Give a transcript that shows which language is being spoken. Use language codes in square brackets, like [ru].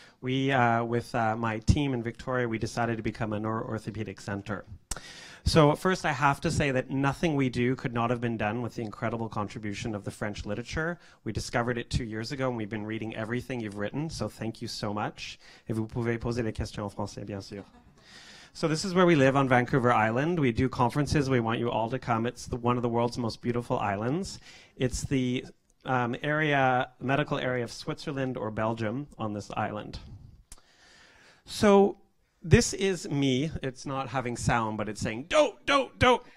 [en] We, with my team in Victoria, we decided to become a neuroorthopedic center. So first, I have to say that nothing we do could not have been done with the incredible contribution of the French literature. We discovered it 2 years ago, and we've been reading everything you've written, so thank you so much. [fr] Et vous pouvez poser des questions en français, bien sûr. [en] So this is where we live on Vancouver Island. We do conferences. We want you all to come. It's the, one of the world's most beautiful islands. It's the medical area of Switzerland or Belgium on this island. So this is me. It's not having sound, but it's saying, don't.